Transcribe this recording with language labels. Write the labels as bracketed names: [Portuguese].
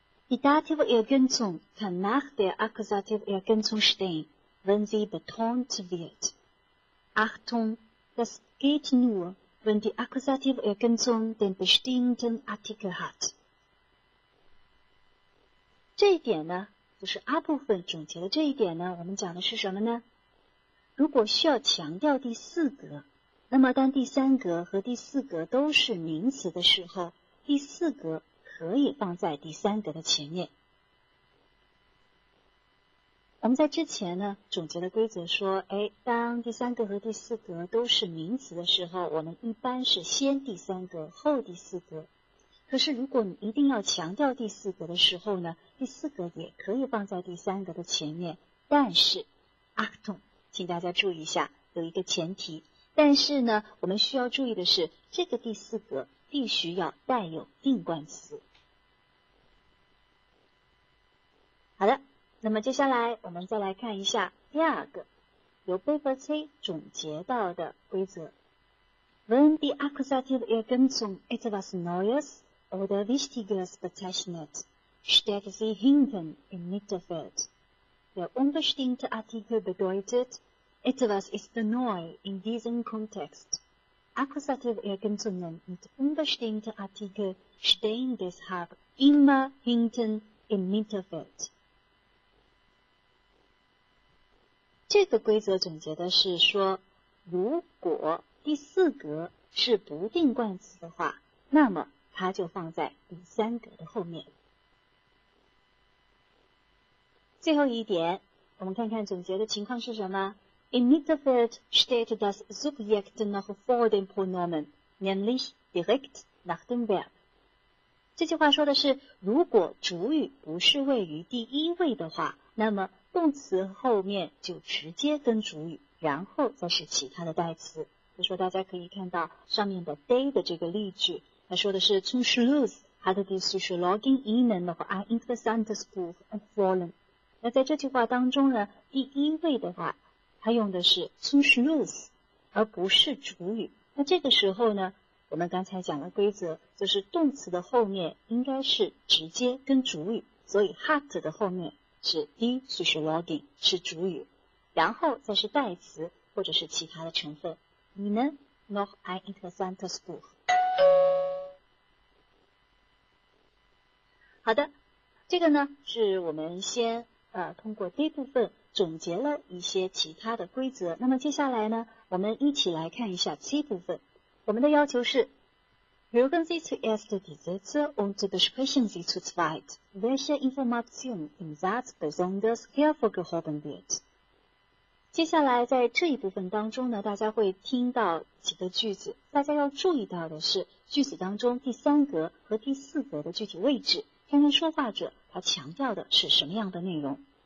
[German] Die Dative Ergänzung kann nach der Akkusative Ergänzung stehen. Wenn sie betont wird. Achtung, das geht nur, wenn die Akkusativergänzung den bestimmten Artikel hat. [Chinese] 这一点呢，就是 A 部分总结的这一点呢，我们讲的是什么呢？如果需要强调第四格，那么当第三格和第四格都是名词的时候，第四格可以放在第三格的前面。我们在之前呢总结的规则说，哎，当第三格和第四格都是名词的时候，我们一般是先第三格后第四格。可是如果你一定要强调第四格的时候呢，第四格也可以放在第三格的前面，但是 Achtung， 请大家注意一下，有一个前提，但是呢我们需要注意的是，这个第四格必须要带有定冠词。好的，那么接下来我们再来看一下第二个由 Bebertay 总结到的规则。 [English] When the [German] accusative ergänzung etwas Neues oder Wichtiges bezeichnet, steht sie hinten im Mittelfeld. Der unbestimmte Artikel bedeutet, etwas ist neu in diesem Kontext. Akkusative Ergänzungen mit unbestimmter Artikel stehen deshalb immer hinten im Mittelfeld. [Chinese] 这个规则总结的是说，如果第四格是不定冠词的话，那么它就放在第三格的后面。最后一点，我们看看总结的情况是什么。 [German] In Mittelfeld steht das Subjekt noch vor dem Pronomen, nämlich direkt nach dem Verb。 [Chinese] 这句话说的是，如果主语不是位于第一位的话，那么动词后面就直接跟主语，然后再是其他的代词。就说大家可以看到上面的 day 的这个例句，他说的是 [German] zum Schluss hat die Psychologin ihnen noch ein interessantes Buch empfohlen。 [Chinese] 那在这句话当中呢，第一位的话，他用的是 [German] zum Schluss， [Chinese] 而不是主语。那这个时候呢，我们刚才讲的规则就是动词的后面应该是直接跟主语，所以 hat 的后面是 die Psychologin 是主语，然后再是代词或者是其他的成分。你呢？ [German] Noch ein interessantes Buch。 [Chinese] 好的，这个呢是我们先通过第一部分总结了一些其他的规则，那么接下来呢我们一起来看一下 C 部分。我们的要求是 [German] Hören Sie zuerst die Sätze und besprechen Sie zu zweit, welche Information im Satz besonders hervorgehoben wird。 [Chinese] 接下来在这一部分当中呢，大家会听到几个句子，大家要注意到的是句子当中第三格和第四格的具体位置，看看说话者他强调的是什么样的内容。